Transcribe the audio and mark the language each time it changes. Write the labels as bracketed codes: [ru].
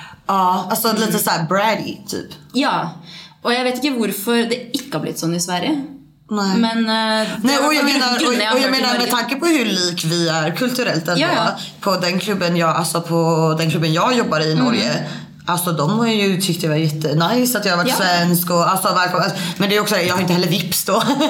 [no] Ja, altså litt sånn bratty typ Ja, og jeg vet ikke hvorfor det ikke har blitt sånn I Sverige [sv] Nej. Men jag menar med tanke på hur lik vi är kulturellt ändå på den klubben jag alltså på den klubben jag jobbar I Norge alltså de har ju tyckt det var jättenice att jag var svensk och alltså välkommen men det är också jag har inte heller Vips då.